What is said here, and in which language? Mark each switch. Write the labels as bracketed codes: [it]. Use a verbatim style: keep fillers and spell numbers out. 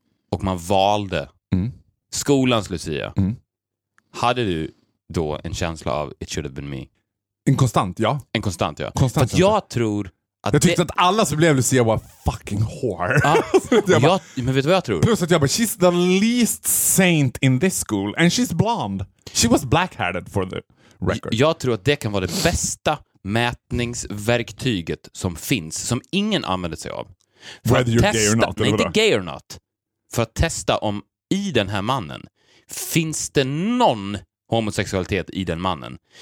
[sv] och man valde mm. skolans Lucia. Mm. Hade du då en känsla av [en] it should have been me? [sv] En konstant, ja. En konstant, ja. Konstant för att jag tror att jag tyckte det... att alla som blev Lucia var [en] fucking whore. [sv] Ah, jag bara... jag, men vet du vad jag tror? Plus att jag bara, [en] she's the least saint in this school and she's blonde. She was black-haired for the record. [sv] Jag, jag tror att det kan vara det bästa mätningsverktyget som finns, som ingen använder sig av. För [en] whether you're gay or not. [sv] Nej, inte [en] gay or not. [sv] För att testa om i den här mannen, finns det någon homosexualitet i den mannen?